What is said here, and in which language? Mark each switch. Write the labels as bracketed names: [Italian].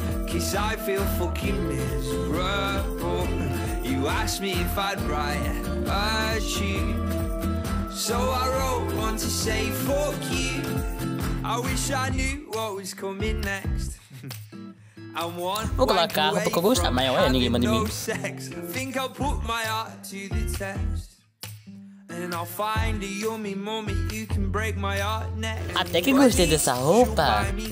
[English] Cause I feel fucking miserable. You asked me if I'd write a tune, so I wrote one to say fuck you. I wish I knew what was coming next. [Portuguese] Vou colocar a roupa que eu gostar, mas olha, ninguém manda em mim. [English] Think I'll put my heart to the test. And I'll find a yummy mommy, you can break my heart next. [Portuguese] Até que gostei dessa roupa.